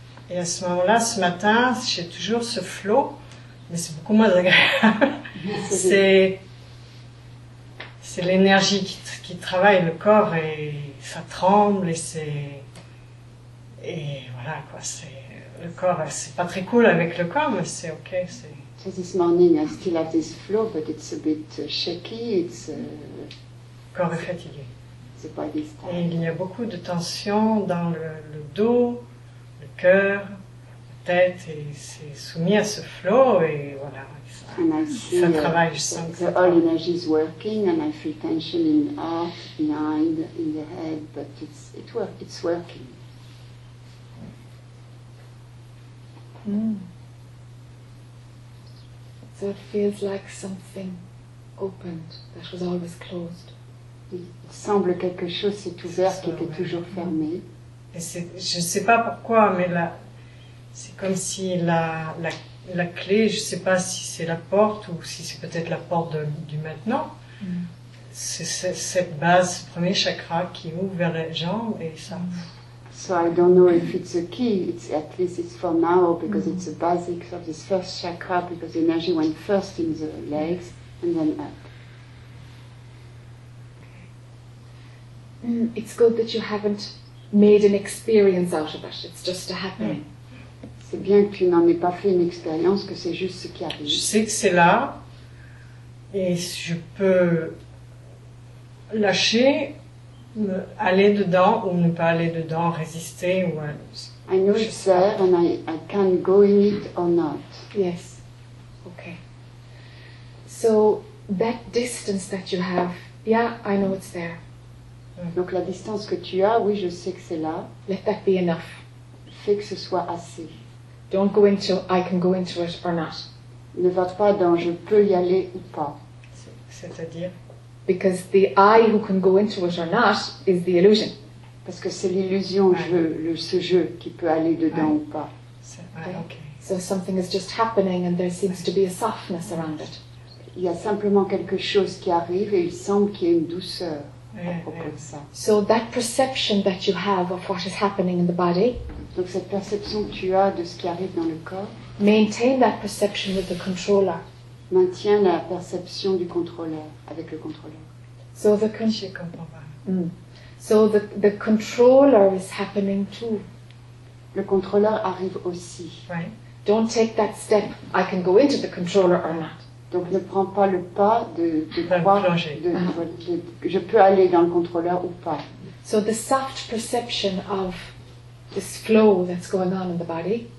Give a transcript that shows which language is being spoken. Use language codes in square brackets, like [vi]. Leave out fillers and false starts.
[fr] Et à ce moment-là, ce matin, j'ai toujours ce flow, mais c'est beaucoup moins agréable. C'est l'énergie qui travaille le corps et ça tremble et c'est. Et voilà quoi, c'est. Le corps, c'est pas très cool avec le corps, mais c'est ok. C'est. [en] So this morning, I still have this flow, but it's a bit shaky, it's... [fr] Le corps est fatigué. [en] The body's tired. [fr] Et il y a beaucoup de tensions dans le dos, le cœur, la tête, et c'est soumis à ce flow, et voilà, ça travaille, je sens que ça travaille. [en] All energy is working, and I feel tension in the heart, behind, in the head, but it's working. So it feels like something opened that was always closed. [fr] Il semble quelque chose s'est ouvert qui était toujours fermé. Et je ne sais pas pourquoi, mais là, c'est comme si la clé, je ne sais pas si c'est la porte ou si c'est peut-être la porte du maintenant. Mm. C'est cette base, ce premier chakra qui ouvre vers les jambes et ça. [en] So I don't know if it's a key, at least it's for now, because it's the basics of this first chakra, because the energy went first in the legs, and then up. It's good that you haven't made an experience out of it, it's just a happening. [fr] C'est bien que tu n'en aies pas fait une expérience, que c'est juste ce qui arrive. Je sais que c'est là, et je peux lâcher, aller dedans ou ne pas aller dedans, résister ou [en] I know it's there and I can go in it or not. Yes. Okay. So that distance that you have, yeah, I know it's there. [fr] Donc la distance que tu as, oui, je sais que c'est là. [en] Let that be enough. [fr] Fais que ce soit assez. [en] Don't go into I can go into it or not. [fr] Ne va pas dans je peux y aller ou pas. C'est-à-dire [en] because the I who can go into it or not is the illusion. [fr] Parce que c'est l'illusion, ce jeu qui peut aller dedans ou pas. [en] Okay. So something is just happening and there seems to be a softness around it. [fr] Il y a simplement quelque chose qui arrive et il semble qu'il y ait une douceur à propos de ça. [en] So that perception that you have of what is happening in the body. [fr] Donc cette perception que tu as de ce qui arrive dans le corps. [en] Maintain that perception with the controller. [fr] Maintient la perception du contrôleur avec le contrôleur. [en] So the So the controller is happening too. [fr] Le contrôleur arrive aussi. [en] Right. Don't take that step. I can go into the controller or not. [fr] Donc ne prends pas le pas de croire de je peux aller dans le contrôleur ou pas. [en] So the soft perception of this flow that's going on in the body.